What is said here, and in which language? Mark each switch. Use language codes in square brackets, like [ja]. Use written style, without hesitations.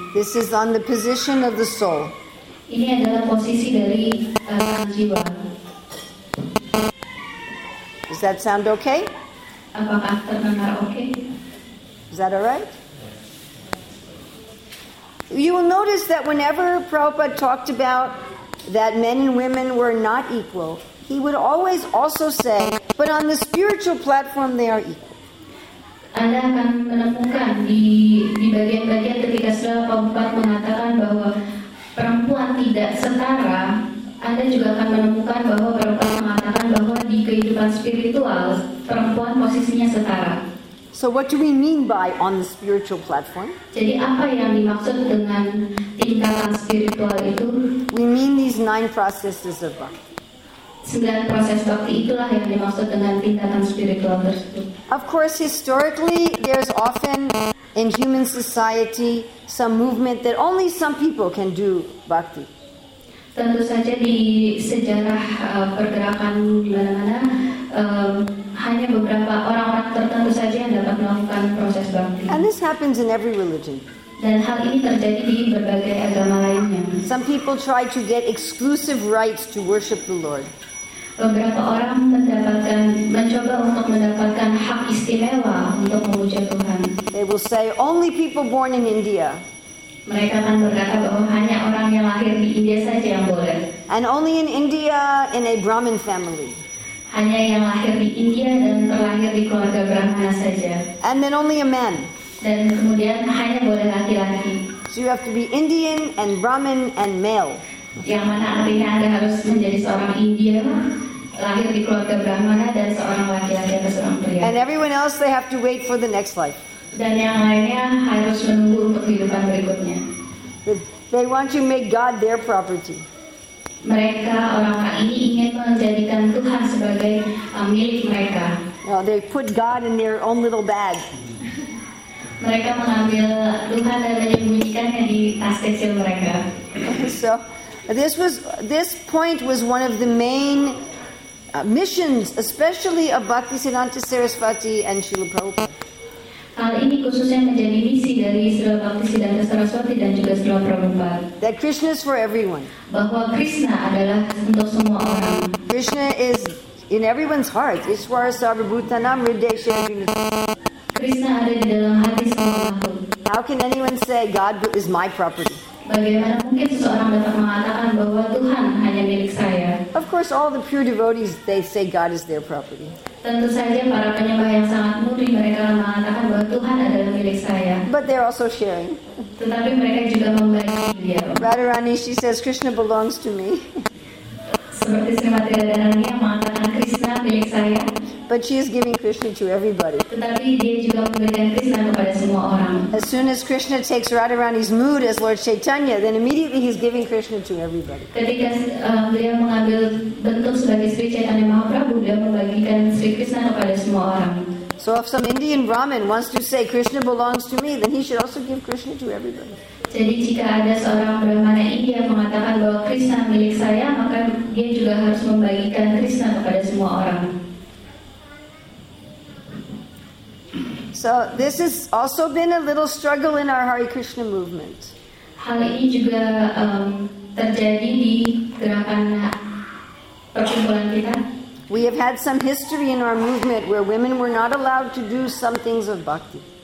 [en] This is on the position of the soul. [id] Ini adalah posisi dari sang jiwa. [en] Does that sound okay? [id] Apakah terdengar okay? [en] Is that all right? You will notice that whenever Prabhupada talked about that men and women were not equal, he would always also say, but on the spiritual platform they are equal. [id] Anda akan menemukan di bagian-bagian ketika Prabhupada mengatakan bahwa perempuan tidak setara, Anda juga akan menemukan bahwa Prabhupada mengatakan bahwa di kehidupan spiritual, perempuan posisinya setara. [en] So what do we mean by on the spiritual platform? [id] Jadi apa yang dimaksud dengan tingkatan spiritual itu? [en] We mean these nine processes of [id] bhakti. 9 proses bhakti itulah yang dimaksud dengan tingkatan spiritual tersebut. [en] Of course, historically, there's often in human society some movement that only some people can do bhakti. [id] Tentu saja di sejarah pergerakan di mana-mana, hanya beberapa orang-orang tertentu saja yang dapat melakukan proses bhakti. [en] And this happens in every religion. [id] Dan hal ini terjadi di berbagai agama lainnya. [en] Some people try to get exclusive rights to worship the Lord. [id] Beberapa orang mencoba untuk mendapatkan hak istimewa untuk memuja Tuhan. [en] They will say only people born in India. [id] Mereka akan berkata bahwa hanya orang yang lahir di India saja yang boleh. [en] And only in India in a Brahmin family. [id] Hanya yang lahir di India dan terlahir di keluarga Brahmana saja. [en] And then only a man. [id] Dan kemudian hanya boleh laki-laki. [en] So you have to be Indian and Brahmin and male. [id] Yang mana artinya Anda harus menjadi seorang India, lahir di keluarga Brahmana, dan seorang laki-laki atau seorang pria. [en] And everyone else, they have to wait for the next life. [id] Dan yang lainnya harus menunggu untuk kehidupan berikutnya. [en] They want to make God their property. [id] Mereka, orang-orang ini, ingin menjadikan Tuhan sebagai milik mereka. [en] Well, they put God in their own little bag. [id] Mereka mengambil Tuhan dan menyembunyikannya di tas kecil mereka. [en] So, this point was one of the main missions, especially of Bhaktisiddhanta Sarasvati and Srila Prabhupada. [id] Hal ini khususnya menjadi misi dari Srila Bhaktisiddhanta Sarasvati dan juga Srila Prabhupada. [en] That Krishna is for everyone. [id] Bahwa Krishna adalah untuk semua orang. [en] Krishna is in everyone's heart. [sa] Ishvara Sarvabhutanam Hridayesha Krishna. [id] Krishna ada di dalam hati semua makhluk. [en] How can anyone say God is my property? [id] Bagaimana mungkin seseorang dapat mengatakan bahwa Tuhan hanya milik saya? [en] Of course, all the pure devotees, they say God is their property. [id] Tentu saja para penyembah yang sangat murni, mereka mengatakan bahwa Tuhan adalah milik saya. [en] But they're also sharing. [id] Tetapi mereka juga membagi dia. [en] Radharani, she says, Krishna belongs to me. [id] Seperti Srimati Radharani yang mengatakan Krishna milik saya. [en] But she is giving Krishna to everybody. [id] Tetapi dia juga memberikan Krishna kepada semua orang. [en] As soon as Krishna takes Radharani's mood as Lord Chaitanya, then immediately he's giving Krishna to everybody. [id] Ketika dia mengambil bentuk sebagai Sri Chaitanya Mahaprabhu, dia membagikan Sri Krishna kepada semua orang. [en] So if some Indian Brahmin wants to say Krishna belongs to me, then he should also give Krishna to everybody. [id] Jadi jika ada seorang Brahmana India mengatakan bahwa Krishna milik saya, maka dia juga harus membagikan Krishna kepada semua orang. [en] So this has also been a little struggle in our Hare Krishna movement. [id] Hal ini juga terjadi di gerakan perkumpulan kita. [en] We have had some history in our movement where women were not allowed to do some things of bhakti.